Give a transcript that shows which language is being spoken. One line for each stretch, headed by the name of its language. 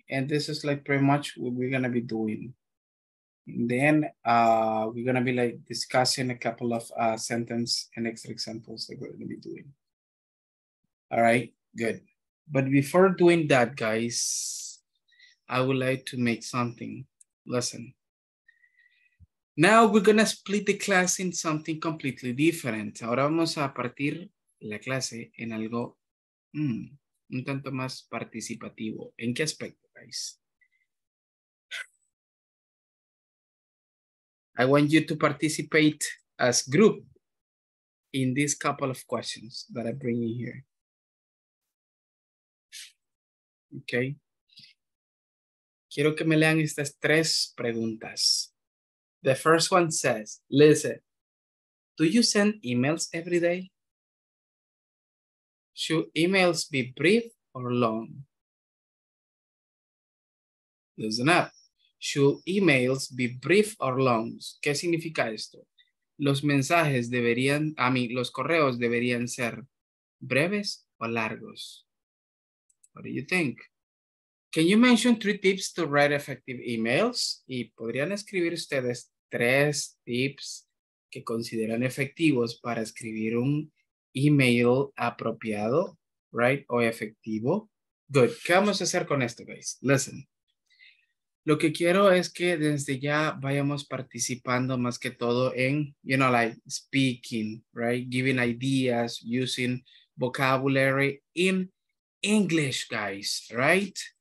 English: And this is like pretty much what we're going to be doing. And then we're going to be like discussing a couple of sentence and extra examples that we're going to be doing. All right, good. But before doing that, guys, I would like to make something. Listen, now we're gonna split the class in something completely different.
Spanish: Ahora vamos a partir la clase en algo un tanto más participativo. ¿En qué aspecto, guys?
English: I want you to participate as group in this couple of questions that I bring in here.
Spanish: Okay. Quiero que me lean estas tres preguntas.
English: The first one says, listen, do you send emails every day? Should emails be brief or long? Listen up. Should emails be brief or long?
Spanish: ¿Qué significa esto? Los mensajes deberían, los correos deberían ser breves o largos.
English: What do you think? Can you mention 3 tips to write effective emails?
Spanish: ¿Y podrían escribir ustedes 3 tips que consideran efectivos para escribir un email apropiado, right, o efectivo? Good. ¿Qué vamos a hacer con esto, guys? Listen. Lo que quiero es que desde ya vayamos participando más que todo en,
English: you know, like speaking, right, giving ideas, using vocabulary in English, guys, right?